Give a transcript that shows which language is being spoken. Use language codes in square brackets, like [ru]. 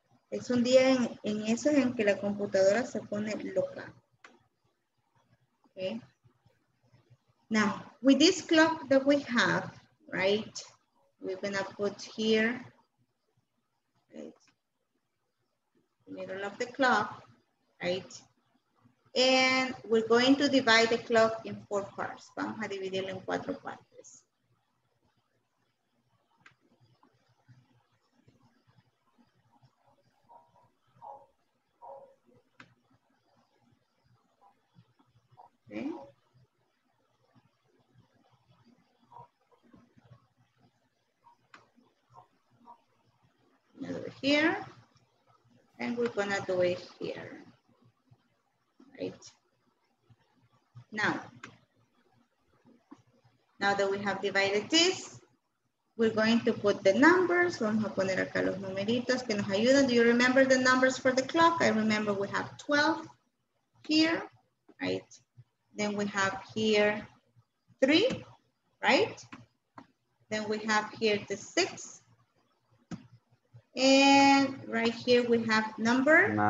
[es] Es un día en esos en que la computadora se pone loca. [en] Okay. Now, with this clock that we have, right? We're gonna put here, right? Middle of the clock, right? And we're going to divide the clock in four parts. [es] Vamos a dividirlo en cuatro partes. [en] Okay. Another here. And we're gonna do it here. Right. Now that we have divided this, we're going to put the numbers. [es] Vamos a poner acá los numeritos que nos ayudan. [en] Do you remember the numbers for the clock? I remember we have 12 here, right? Then we have here 3, right? Then we have here the 6. And right here we have number?